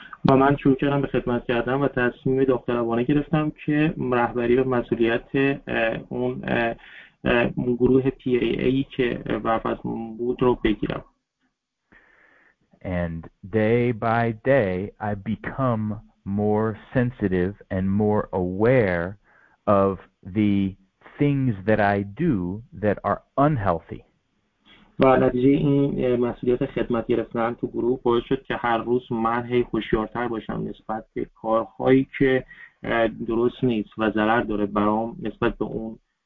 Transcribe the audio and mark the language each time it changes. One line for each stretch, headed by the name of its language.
Persian: و من شروع کردم به خدمت کردن و تصمیم داوطلبانه گرفتم که رهبری و مسئولیت اون گروه PAA که برفت بود رو بگیرم.
English: And day by day I become more sensitive and more aware of the things that I do that are unhealthy.
Persian: و نتیجه این مسئولیت خدمت گرفتن تو گروه باعث شد که هر روز من هی هوشیارتر باشم نسبت به کارهایی که درست نیست و ضرر داره برام نسبت به اون.